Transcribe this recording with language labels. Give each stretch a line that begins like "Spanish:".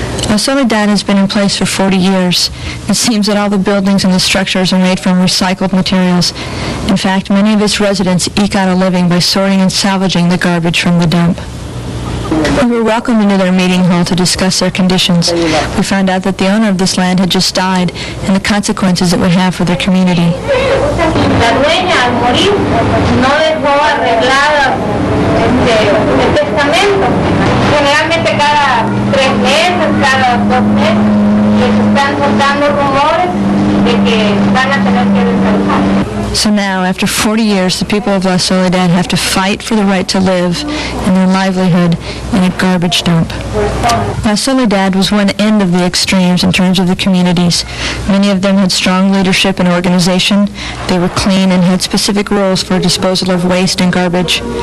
English: La Soledad has been in place for 40 years. It seems that all the buildings and the structures are made from recycled materials. In fact, many of its residents eke out a living by sorting and salvaging the garbage from the dump. We were welcomed into their meeting hall to discuss their conditions. We found out that the owner of this land had just died and the consequences it would have for their community.
Spanish: La dueña al morir no dejó arreglado el testamento. Generalmente cada tres meses, cada dos meses, les están soltando rumores de que van a tener que desalojar.
English: So now, after 40 years, the people of La Soledad have to fight for the right to live and their livelihood in a garbage dump. La Soledad was one end of the extremes in terms of the communities. Many of them had strong leadership and organization. They were clean and had specific roles for disposal of waste and garbage.